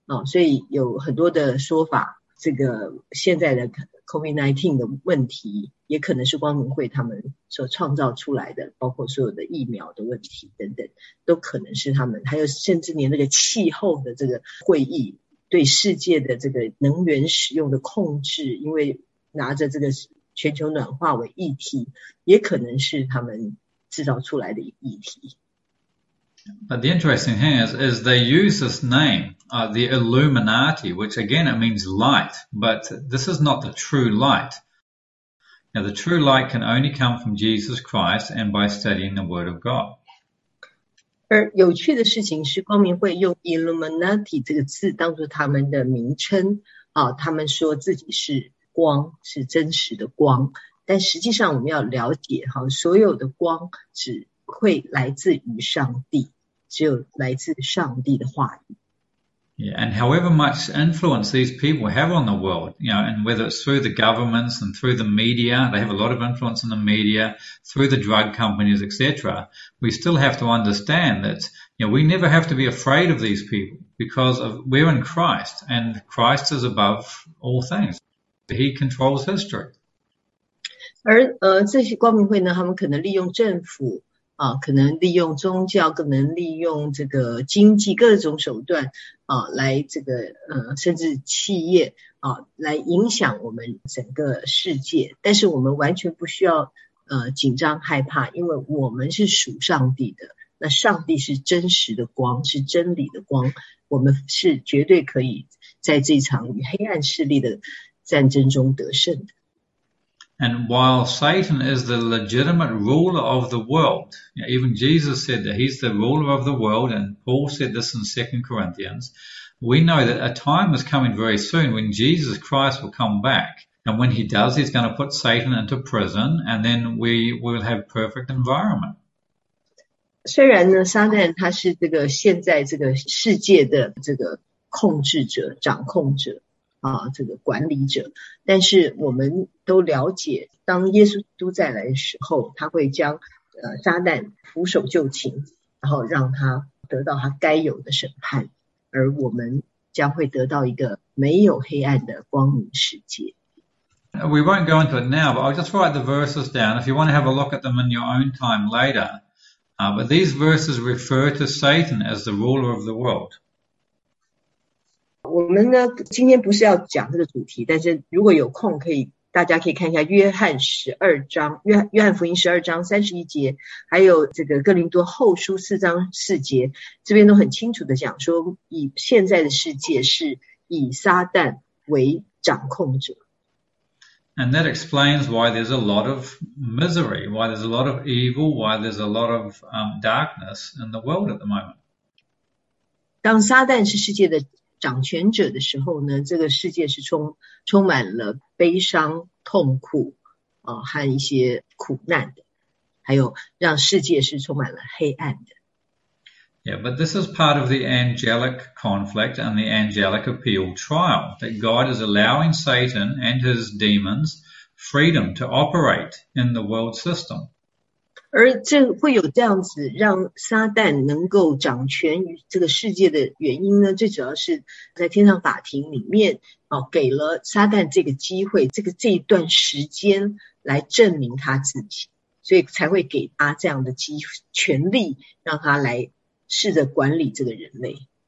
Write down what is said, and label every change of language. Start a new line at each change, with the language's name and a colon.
Chinese: 所以有很多的说法，这个现在的 COVID-19 的问题，也可能是光明会他们所创造出来的，包括所有的疫苗的问题等等，都可能是他们，还有甚至连那个气候的这个会议。对世界的这个能源使用的控制，因为拿着这个全球暖化为议题，也可能是他们制造出来的议题。
English: But the interesting thing is they use this name, the Illuminati, which again it means light, but this is not the true light. Now, the true light can only come from Jesus Christ and by studying the Word of God.
Chinese: 而有趣的事情是，光明会用 Illuminati 这个字当作他们的名称，他们说自己是光，是真实的光。但实际上我们要了解，所有的光只会来自于上帝，只有来自上帝的话语。
English: Yeah, and however much influence these people have on the world, you know, and whether it's through the governments and through the media, they have a lot of influence in the media, through the drug companies, etc., we still have to understand that, you know, we never have to be afraid of these people because of, we're in Christ and Christ is above all things. He controls history.
Chinese: 而这些光明会呢，他们可能利用政府啊，可能利用宗教，可能利用这个经济各种手段啊，来这个甚至企业啊，来影响我们整个世界。但是我们完全不需要紧张害怕，因为我们是属上帝的。那上帝是真实的光，是真理的光。我们是绝对可以在这场与黑暗势力的战争中得胜的。
English: And while Satan is the legitimate ruler of the world, you know, even Jesus said that he's the ruler of the world, and Paul said this in 2 Corinthians, we know that a time is coming very soon when Jesus Christ will come back. And when he does, he's going to put Satan into prison, and then we will have perfect environment.
Chinese: 虽然呢，撒旦他是这个现在这个世界的这个控制者，掌控者。这个管理者，但是我们都了解，当耶稣都再来的时候，他会将撒旦俯首就擒，然后让他得到他该有的审判，而我们将会得到一个没有黑暗的光明世界。
English: We won't go into it now, but I'll just write the verses down if you want to have a look at them in your own time later. But these verses refer to Satan as the ruler of the world.
Chinese: 我们呢，今天不是要讲这个主题，但是如果有空，可以大家可以看一下约翰十二章，约翰福音十二章三十一节，还有这个哥林多后书四章四节，这边都很清楚的讲说，以现在的世界是以撒旦为掌控者。
English: And that explains why there's a lot of misery, why there's a lot of evil, why there's a lot of darkness in the world at the moment.
Chinese: 当撒旦是世界的掌权者的时候呢，这个世界是充满了悲伤、痛苦和一些苦难的，还有让世界是充满了黑暗的。
English: Yeah, but this is part of the angelic conflict and the angelic appeal trial that God is allowing Satan and his demons freedom to operate in the world system.
Chinese: 而这会有这样子让撒旦能够掌权于这个世界的原因呢，最主要是在天上法庭里面给了撒旦这个机会，这一段时间来证明他自己，所以才会给他这样的权力，让他来试着管理这个人类。